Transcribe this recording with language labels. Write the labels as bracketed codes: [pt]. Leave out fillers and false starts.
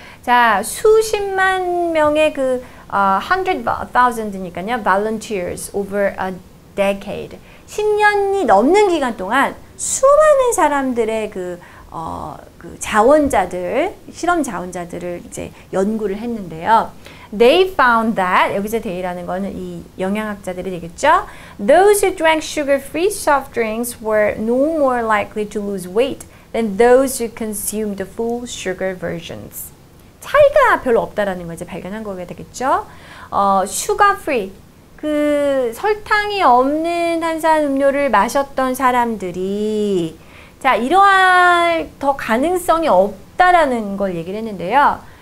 [ko] 자, 수십만 명의 그 100,000이니까요. [en] volunteers over a decade. [ko] 10년이 넘는 기간 동안 수많은 사람들의 그 자원자들, 실험 자원자들을 이제 연구를 했는데요. [en] They found that, [ko] 여기서 they라는 거는 이 영양학자들이 되겠죠? [en] Those who drank sugar-free soft drinks were no more likely to lose weight than those who consumed the full sugar versions. [ko] 차이가 별로 없다라는 거 이제 발견한 거게 되겠죠? Sugar-free, 그 설탕이 없는 탄산음료를 마셨던 사람들이 자, 이러한 더 가능성이 없다라는 걸 얘기를 했는데요.